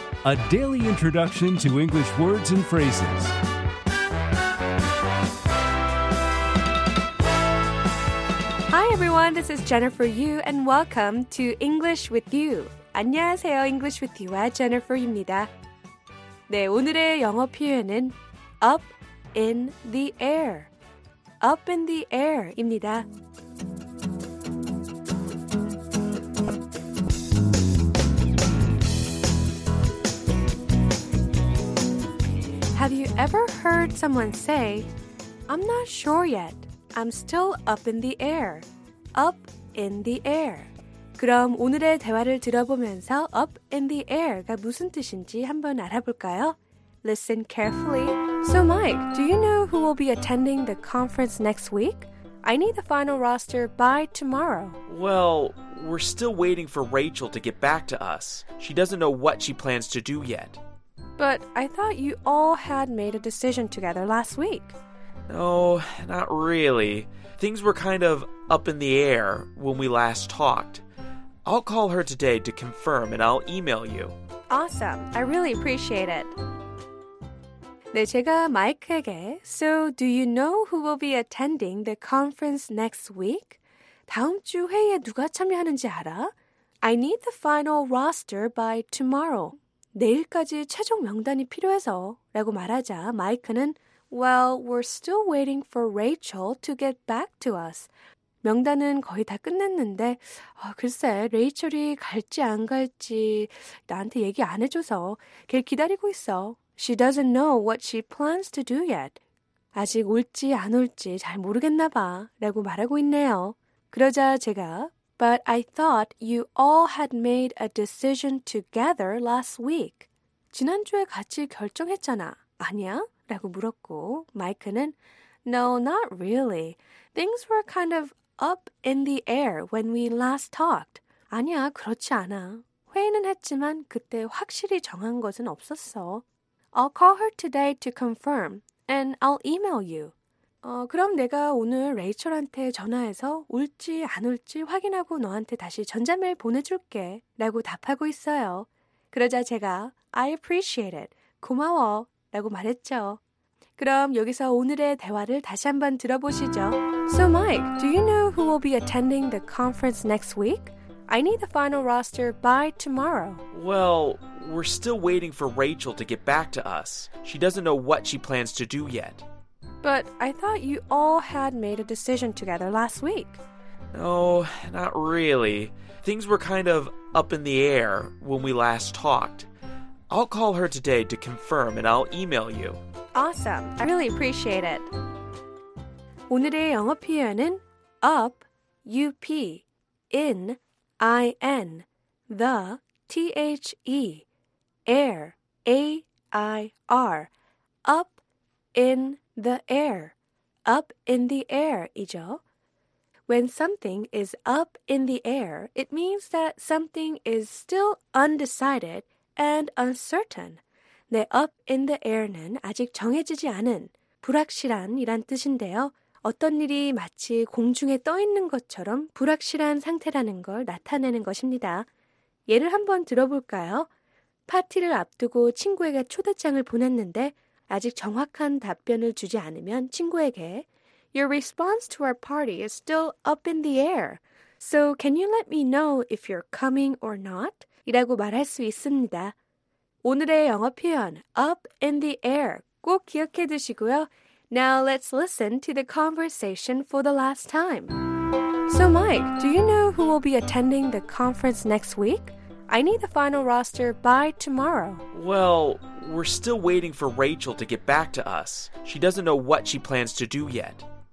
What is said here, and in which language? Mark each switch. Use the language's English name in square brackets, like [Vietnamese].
[English] A daily introduction to English words and phrases. Hi everyone, this is Jennifer Yu and welcome to English with you. [Korean] 안녕하세요, English with you와 Jennifer입니다. 네, 오늘의 영어 표현은 [English] up in the air. Up in the air [Korean] 입니다. [English] 'Have you ever heard someone say, I'm not sure yet, I'm still up in the air, up in the air. [Korean] 그럼 오늘의 대화를 들어보면서 [English] up in the air [Korean] 가 무슨 뜻인지 한번 알아볼까요? [English] Listen carefully. So Mike, do you know who will be attending the conference next week? I need the final roster by tomorrow. Well, we're still waiting for Rachel to get back to us. She doesn't know what she plans to do yet. But I thought you all had made a decision together last week. No, not really. Things were kind of up in the air when we last talked. I'll call her today to confirm and I'll email you. Awesome. I really appreciate it. [Korean] 네, 제가 마이크에게 [English] So, do you know who will be attending the conference next week? [Korean] 다음 주 회의에 누가 참여하는지 알아? [English] I need the final roster by tomorrow. [Korean] 내일까지 최종 명단이 필요해서 라고 말하자 마이크는 [English] Well, we're still waiting for Rachel to get back to us. [Korean] 명단은 거의 다 끝냈는데 글쎄 레이첼이 갈지 안 갈지 나한테 얘기 안 해줘서 걔 기다리고 있어. [English] She doesn't know what she plans to do yet. [Korean] 아직 올지 안 올지 잘 모르겠나 봐 라고 말하고 있네요. 그러자 제가 [English] But I thought you all had made a decision together last week. [Korean] 지난주에 같이 결정했잖아. 아니야? 라고 물었고 마이크는 [English] No, not really. Things were kind of up in the air when we last talked. [Korean] 아니야, 그렇지 않아. 회의는 했지만 그때 확실히 정한 것은 없었어. [English] I'll call her today to confirm and I'll email you. [Korean] 그럼 내가 오늘 레이첼한테 전화해서 올지 안 올지 확인하고 너한테 다시 전자메일 보내줄게 라고 답하고 있어요. 그러자 제가 [English] I appreciate it. [Korean] 고마워 라고 말했죠. 그럼 여기서 오늘의 대화를 다시 한번 들어보시죠. [English] So Mike, do you know who will be attending the conference next week? I need the final roster by tomorrow. Well, we're still waiting for Rachel to get back to us. She doesn't know what she plans to do yet. But I thought you all had made a decision together last week. No, not really. Things were kind of up in the air when we last talked. I'll call her today to confirm and I'll email you. Awesome. I really appreciate it. [Korean] 오늘의 영어 표현은 [English] up, U-P, in, I-N, the, T-H-E, air, A-I-R, up, in, the air, up in the air이죠. When something is up in the air, it means that something is still undecided and uncertain. [Korean] 네, [English] up in the air [Korean] 는 아직 정해지지 않은, 불확실한 이란 뜻인데요. 어떤 일이 마치 공중에 떠 있는 것처럼 불확실한 상태라는 걸 나타내는 것입니다. 예를 한번 들어볼까요? 파티를 앞두고 친구에게 초대장을 보냈는데 아직 정확한 답변을 주지 않으면 친구에게 [English] Your response to our party is still up in the air. So can you let me know if you're coming or not? [Korean] 이라고 말할 수 있습니다. 오늘의 영어 표현 [English] up in the air [Korean] 꼭 기억해 두시고요. [English] Now let's listen to the conversation for the last time. So Mike, do you know who will be attending the conference next week? I need the final roster by tomorrow. Well, we're still waiting for Rachel to get back to us. She doesn't know what she plans to do yet.